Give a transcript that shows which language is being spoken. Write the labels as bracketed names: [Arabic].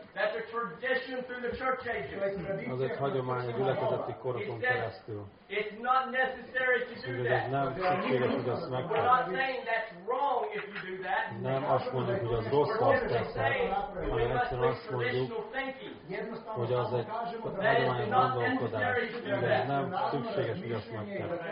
[English] That's a tradition through the church ages. [Hungarian] Az egy hagyomány a gyülekezeti korokon keresztül. [English] It's not necessary to do that. [Hungarian] Nem szükséges, hogy azt meg kell. [English] We're not saying that's wrong if you do that. [Hungarian] Nem azt mondjuk, hogy az rossz, azt teszed, hanem egyszerűen azt mondjuk, hogy az egy hagyományos gondolkodás. De nem szükséges, hogy azt meg kell.